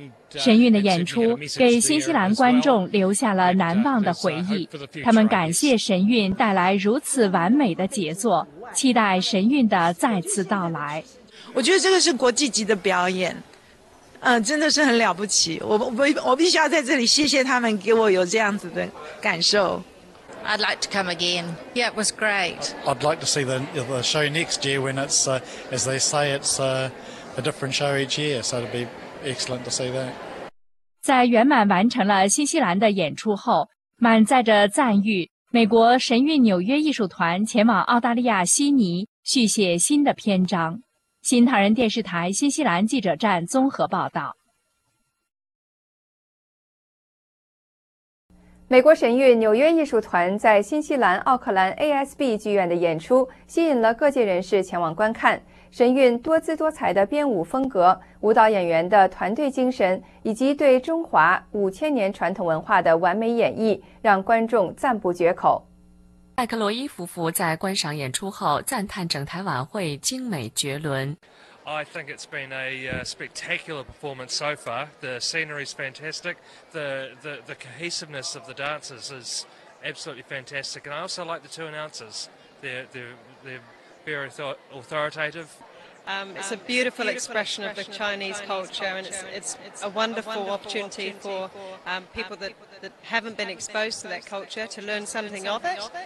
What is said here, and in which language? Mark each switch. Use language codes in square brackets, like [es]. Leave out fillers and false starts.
[zh] 神韵的演出给新西兰观众留下了难忘的回忆，他们感谢神韵带来如此完美的杰作，期待神韵的再次到来。我觉得这个是国际级的表演，真的是很了不起。我必须要在这里谢谢他们给我有这样子的感受。 [en] I'd like to come again. Yeah, it was great. I'd like to see the show next year when it's, as they say, it's a different show each year. So it'd be excellent to see that. [zh] 在圆满完成了新西兰的演出后，满载着赞誉，美国神韵纽约艺术团前往澳大利亚悉尼续写新的篇章。新唐人电视台新西兰记者站综合报道。美国神韵纽约艺术团在新西兰奥克兰 ASB 剧院的演出吸引了各界人士前往观看。神韵多姿多彩的编舞风格、舞蹈演员的团队精神以及对中华5000年传统文化的完美演绎，让观众赞不绝口。麦克罗伊夫妇在观赏演出后赞叹整台晚会精美绝伦。 [en] I think it's been a spectacular performance so far. The scenery is fantastic. The cohesiveness of the dancers is absolutely fantastic. And I also like the two announcers. They're very authoritative. It's a beautiful expression of the Chinese culture, and it's a wonderful opportunity for people that haven't been exposed to that culture to learn something of it.